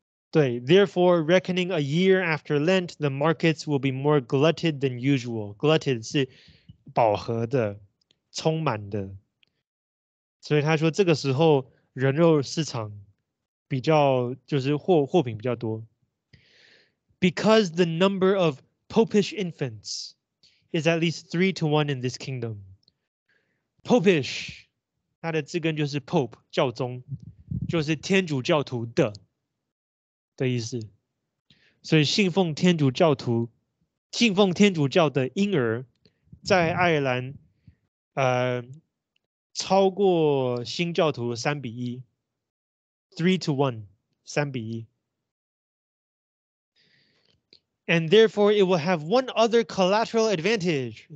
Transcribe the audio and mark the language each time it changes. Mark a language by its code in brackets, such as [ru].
[en] 对 ，therefore reckoning a year after Lent, the markets will be more glutted than usual. [zh] Glutted 是饱和的，充满的。所以他说这个时候人肉市场比较就是 货品比较多。 [en] Because the number of popish infants is at least 3 to 1 in this kingdom. Popish, [zh] 他的字根就是 Pope 教宗，就是天主教徒的意思。所以信奉天主教徒、信奉天主教的婴儿，在爱尔兰，超过新教徒3:1 3:1 3:1 [en] And therefore, it will have one other collateral advantage.